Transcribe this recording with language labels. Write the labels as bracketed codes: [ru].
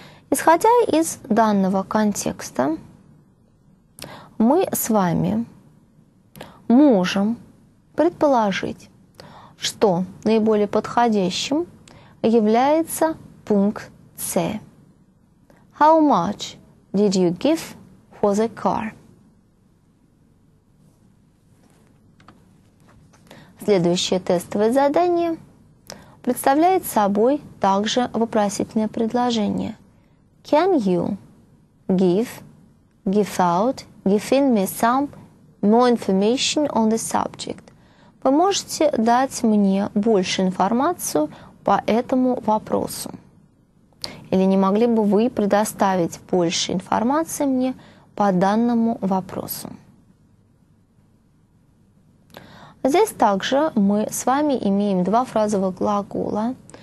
[ru] Исходя из данного контекста, мы с вами можем предположить, что наиболее подходящим является пункт C. [en] How much did you give for the car? [ru] Следующее тестовое задание представляет собой также вопросительное предложение. [en] Can you give, give out, give in me some more information on the subject? [ru] Вы можете дать мне больше информацию по этому вопросу? Или не могли бы вы предоставить больше информации мне по данному вопросу? Здесь также мы с вами имеем два фразовых глагола.